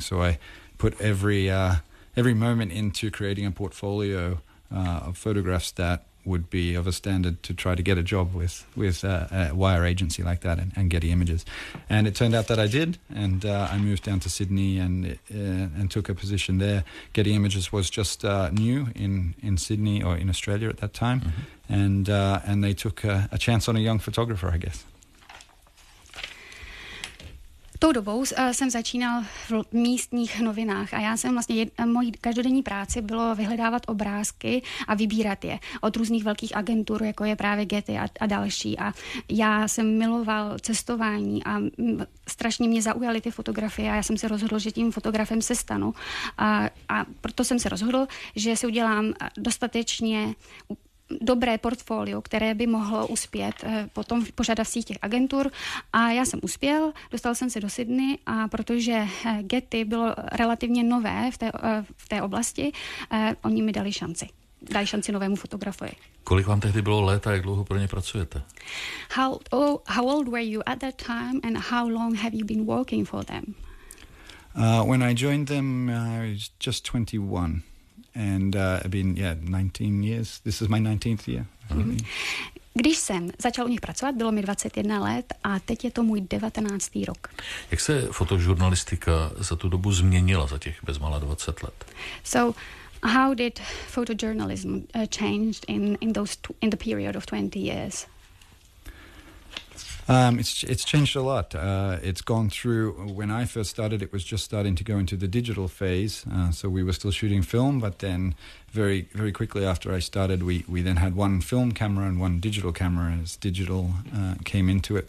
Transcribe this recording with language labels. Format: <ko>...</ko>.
<en>So I put every moment into creating a portfolio of photographs that would be of a standard to try to get a job with a wire agency like that and Getty Images. And it turned out that I did, and I moved down to Sydney and took a position there. Getty Images was just new in Sydney, or in Australia at that time, mm-hmm. And they took a chance on a young photographer, I guess.</en> <cs>Tou dobou jsem začínal v místních novinách a já jsem vlastně, mojí každodenní práci bylo vyhledávat obrázky a vybírat je od různých velkých agentur, jako je právě Getty a další. A já jsem miloval cestování a strašně mě zaujaly ty fotografie a já jsem se rozhodl, že tím fotografem se stanu. A proto jsem se rozhodl, že si udělám dostatečně dobré portfolio, které by mohlo uspět potom v požadavcích těch agentur. A já jsem uspěl, dostal jsem se do Sydney, a protože Getty bylo relativně nové v té oblasti, oni mi dali šanci. Dali šanci novému fotografovi. Kolik vám tehdy bylo let a jak dlouho pro ně pracujete?</cs> <en>How old were you at that time and how long have you been working for them? When I joined them, I was just 21. And I've been, 19 years. This is my 19th year.</en> <cs>Když jsem začal u nich pracovat, bylo mi 21 let a teď je to můj 19. rok. Jak se fotožurnalistika za tu dobu změnila za těch bezmála 20 let?</cs> <en>So, how did photojournalism changed in the period of 20 years? It's changed a lot. It's gone through, when I first started, it was just starting to go into the digital phase. So we were still shooting film, but then very, very quickly after I started, we then had one film camera and one digital camera as digital came into it.</en>